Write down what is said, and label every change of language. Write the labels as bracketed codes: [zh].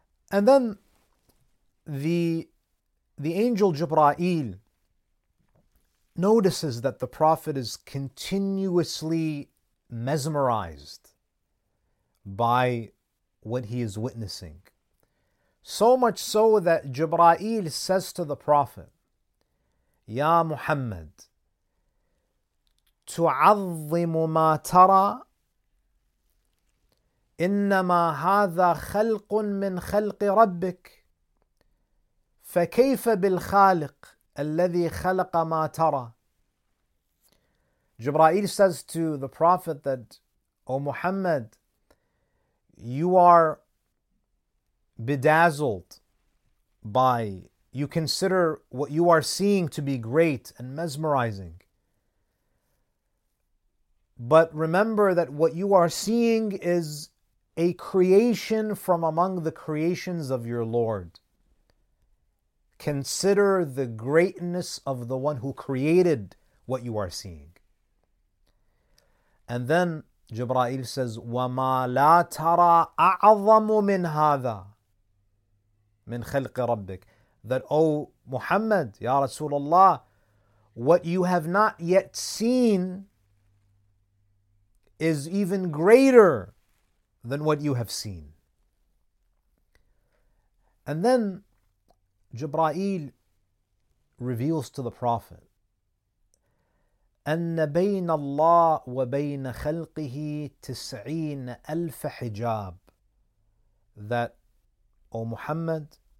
[en] And then the angel Jibra'il notices that the Prophet is continuously mesmerized by what he is witnessing. So much so that Jibra'il says to the Prophet, Ya Muhammad, [ar] تُعَظِّمُ مَا تَرَى إِنَّمَا هَذَا خَلْقٌ مِّنْ خَلْقِ رَبِّكَ فَكَيْفَ بِالْخَالِقِ الَّذِي خَلَقَ مَا تَرَى. [en] Jibra'il says to the Prophet that, O Muhammad, you are bedazzled by, you consider what you are seeing to be great and mesmerizing. But remember that what you are seeing is a creation from among the creations of your Lord. Consider the greatness of the one who created what you are seeing. And then Jibra'il says, [ar] وَمَا لَا تَرَى أَعْظَمُ مِنْ هَذَا مِنْ خَلْقِ رَبِّكَ. [en] That, O Muhammad, Ya Rasulullah, what you have not yet seen is even greater than what you have seen. And then Jibra'il reveals to the Prophet, [ar] أَنَّ بَيْنَ اللَّهِ وَبَيْنَ خَلْقِهِ 90,000 حِجَابٍ. [en] That, O Muhammad,